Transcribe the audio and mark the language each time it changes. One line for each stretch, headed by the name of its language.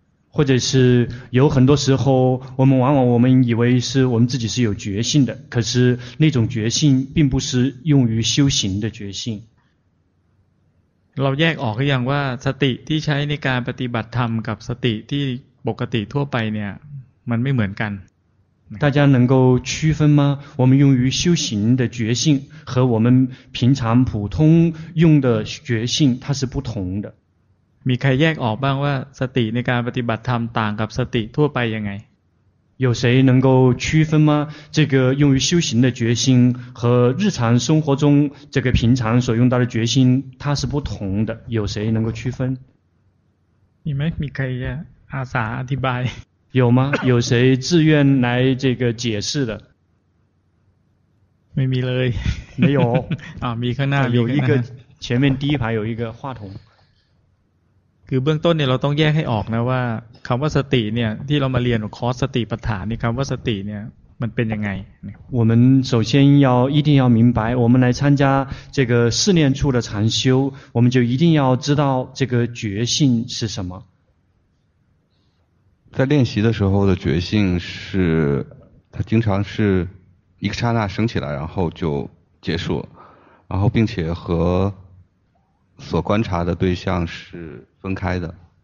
Chinese: 或者是有很多时候我们往往我们以为是我们自己是有觉性的可是那种觉性并不是用于修行的觉性
Thai: เราแยกออกอย่างว่าสติที่ใช้ในการปฏิบัติธรรมกับสติที่ปกติทั่วไปเนี่ยมันไม่เหมือนกัน
Chinese: 大家能够区分吗我们用于修行的觉性和我们平常普通用的觉性它是不同的
Thai: มีใครแยกออกบ้างว่าสติในการปฏิบัติธรรมต่างกับสติทั่วไปยังไง
Chinese: 有谁能够区分吗这个用于修行的觉心和日常生活中这个平常所用到的觉心它是不同的有谁能够区分
Thai: มีไหมมีใครอาสาอธิบาย
Chinese: 有吗有谁自愿来这个解释的
Thai: ไม่มีเลย
Chinese: 没有
Thai: มีข้างหน้า
Chinese: 有一个前面第一排有一个话筒
Thai: คือเบื้องต้นเนี่ยเราต้องแยกให้ออกนะว่าคำว่าสติเนี่ยที่เรามาเรียนคอร์สสติปัฏฐานนี่คำว่าสติเนี่ยมันเป็นยังไง
Chinese: 我们首先要一定要明白我们来参加这个四念处的禅修我们就一定要知道这个觉性是什么在练习的时候的觉性是它经常是一个刹那升起来然后就结束然后并且和所观察的对象是分开的